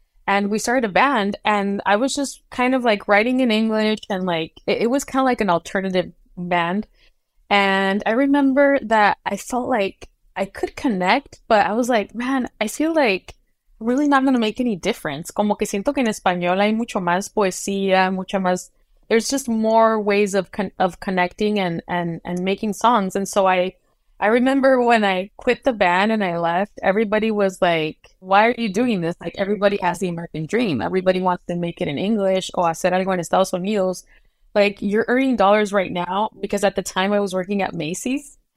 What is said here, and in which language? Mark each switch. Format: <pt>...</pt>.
<en>And we started a band, and I was just kind of like writing in English, and like it was kind of like an alternative band. And I remember that I felt like I could connect, but I was like, man, I feel like really not going to make any difference.</en> <es>Como que siento que en español hay mucho más poesía, mucho más.</es> <en>There's just more ways of connecting and making songs. And so I remember when I quit the band and I left, everybody was like, why are you doing this? Like, everybody has the American dream. Everybody wants to make it in English. Oh, I said, I'm going to Estados Unidos. Like, you're earning dollars right now, because at the time I was working at Macy's.</en>